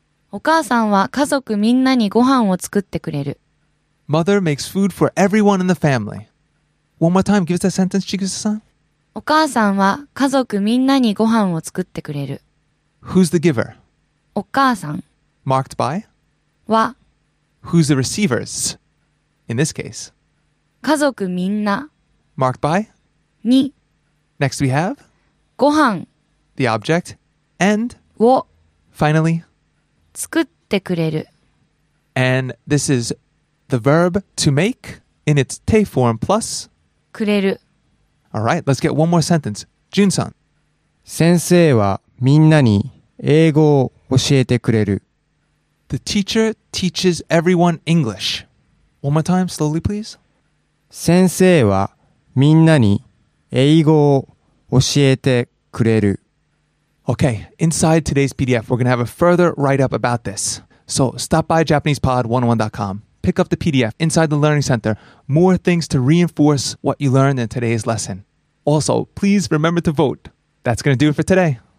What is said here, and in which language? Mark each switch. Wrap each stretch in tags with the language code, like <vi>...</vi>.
<ja>お母さんは家族みんなにご飯を作ってくれる.</ja> <en>Mother makes food for everyone in the family. One more time, give us that sentence, Chigusa-san.</en> <ja>お母さんは家族みんなにご飯を作ってくれる。</ja> <en>Who's the giver?</en> <ja>お母さん。</ja> <en>Marked by?</en> <ja>は。</ja> <en>Who's the receivers? In this case?</en> <ja>家族みんな。</ja> <en>Marked by?</en> <ja>に。</ja> <en>Next we have?</en> <ja>ご飯。</ja> <en>The object. And?</en> <ja>を。</ja> <en>Finally?</en> <ja>作ってくれる。</ja> <en>And this is the verb to make in its て form plus</en> <ja>くれる.</ja> <en>All right, let's get one more sentence. Jun-san.</en> <ja>先生はみんなに英語を教えてくれる.</ja> <en>The teacher teaches everyone English. One more time, slowly please.</en> <ja>先生はみんなに英語を教えてくれる.</ja> <en>Okay, inside today's PDF, we're going to have a further write-up about this. So stop by JapanesePod101.com. Pick up the PDF inside the Learning Center. More things to reinforce what you learned in today's lesson. Also, please remember to vote. That's going to do it for today.</en>